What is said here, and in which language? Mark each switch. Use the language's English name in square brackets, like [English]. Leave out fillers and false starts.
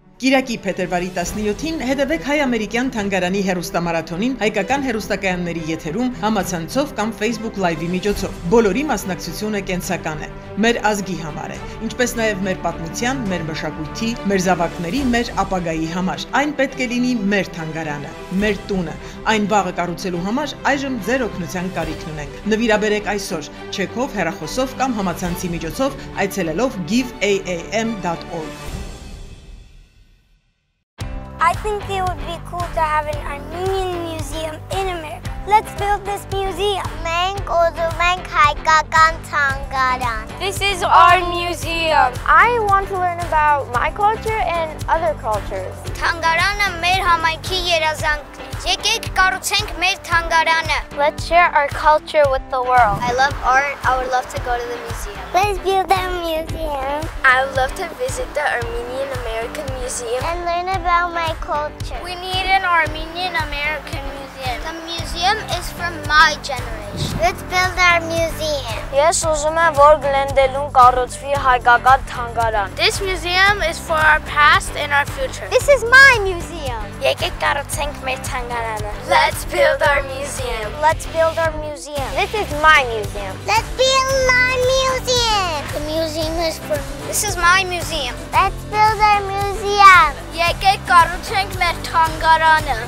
[Armenian] Կիրակի փետրվարի 17-ին հետևեք Հայ-Ամերիկյան թանգարանի հեռուստամարաթոնին հայկական հեռուստակայանների եթերում համացանցով կամ Facebook Live-ի միջոցով։ Բոլորի մասնակցությունը կենսական է, մեր ազգի համար է, ինչպես նաև մեր պատմության, մեր մշակույթի, մեր զավակների, մեր ապագայի համար։ Այն պետք է լինի մեր թանգարանը, մեր տունը։ Այն բաղը կառուցելու համար այժմ ձեր օգնության կարիքն ունենք։ Նվիրաբերեք այսօր չեքով, հեռախոսով կամ համացանցի միջոցով, այցելելով giveaam.org։ [English] I think it would be cool to have an Armenian museum in America. Let's build this museum. [Armenian] Մենք ուզում ենք հայկական թանգարան. [English] This is our museum. I want to learn about my culture and other cultures. [Armenian] Թանգարանը մեր համայնքի երազանքն է. Եկեք կառուցենք մեր թանգարանը. [English] Let's share our culture with the world. I love art. I would love to go to the museum. Let's build a museum. I would love to visit the Armenian American Museum. And learn about my culture. We need an Armenian American Museum. The museum is for my generation. Let's build our museum. [Armenian] Ես ուզում եմ, որ գլենդելուն կառուցվի հայկական թանգարան. [English] This museum is for our past and our future. This is my museum. [Armenian] Եկեք կառուցենք մեր թանգարանը. [English] Let's build our museum. Let's build our museum. This is my museum. Let's build my museum. The museum is for me. This is my museum. Let's build our museum. [Armenian] Եկեք կառուցենք մեր թանգարանը.